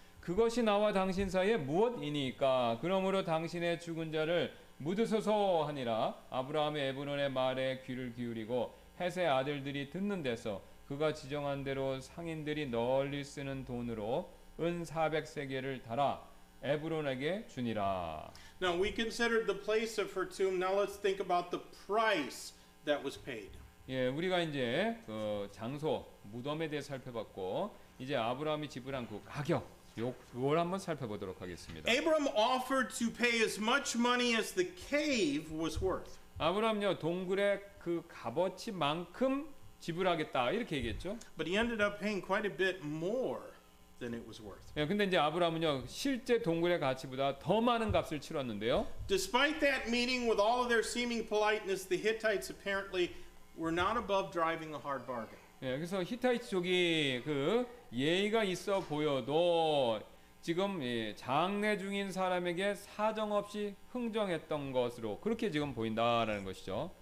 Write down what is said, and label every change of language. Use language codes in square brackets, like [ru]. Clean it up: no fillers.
[ko] 그것이 나와 당신 사이에 무엇이니까 그러므로 당신의 죽은 자를 묻으소서 하니라 아브라함이 에브론의 말에 귀를 기울이고 헷의 아들들이 듣는 데서 그가 지정한 대로 상인들이 널리 쓰는 돈으로 은 400세겔을 달아 에브론에게 주니라. [en] Now we considered the place of her tomb. Now let's think about the price that was paid. [ko] 예, 우리가 이제 그 장소 무덤에 대해 살펴봤고 이제 아브라함이 지불한 그 가격 요걸 한번 살펴보도록 하겠습니다. [en] Abraham offered to pay as much money as the cave was worth. [ko] 아브라함요 동굴의 그 값어치만큼 지불하겠다 이렇게 얘기했죠. [en] But he ended up paying quite a bit more than it was worth. [ko] 예, 근데 이제 아브라함은요 실제 동굴의 가치보다 더 많은 값을 치렀는데요. [en] Despite that meeting with all of their seeming politeness, the Hittites apparently were not above driving a hard bargain. [ko] 예, 그래서 히타이트 쪽이 그 예의가 있어 보여도 지금 예, 장례 중인 사람에게 사정없이 흥정했던 것으로 그렇게 지금 보인다라는 것이죠.